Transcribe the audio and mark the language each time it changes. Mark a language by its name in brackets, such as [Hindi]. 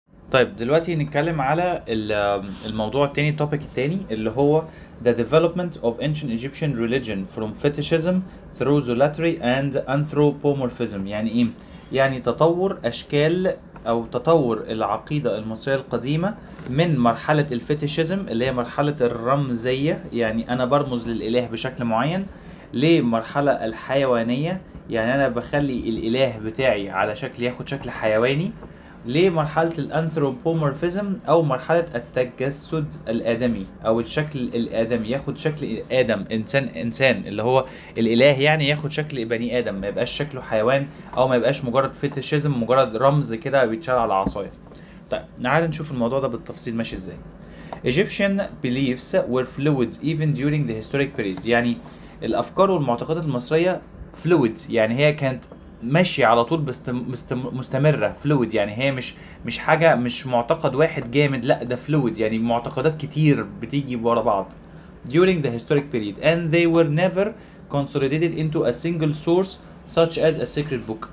[Arabic] طيب دلوقتي نتكلم على الموضوع التاني، التوبيك التاني اللي هو [English] The development of ancient Egyptian religion from fetishism through zoolatry and anthropomorphism. [Arabic] يعني ايه؟ يعني تطور اشكال او تطور العقيدة المصرية القديمة من مرحلة الفتيشيزم اللي هي مرحلة الرمزية، يعني انا برمز للاله بشكل معين، لمرحلة الحيوانية، يعني انا بخلي الاله بتاعي على شكل ياخد شكل حيواني، لمرحلة الأنثروبومورفيزم أو مرحلة التجسد الآدمي أو الشكل الآدمي، ياخد شكل آدم، إنسان، إنسان اللي هو الإله، يعني ياخد شكل بني آدم، ما يبقاش شكله حيوان أو ما يبقاش مجرد فيتشيزم، مجرد رمز كده بيتشال على عصاية. طيب تعال نشوف الموضوع ده بالتفصيل ماشي إزاي. [English] Egyptian beliefs were fluid even during the historic period. [Arabic] يعني الأفكار والمعتقدات المصرية fluid، يعني هي كانت ماشي على طول مستمرة، فلويد، يعني هي مش حاجة، مش معتقد واحد جامد، لا ده فلويد، يعني معتقدات كتير بتيجي ورا بعض [English] during the historic period and they were never consolidated into a single source such as a sacred book.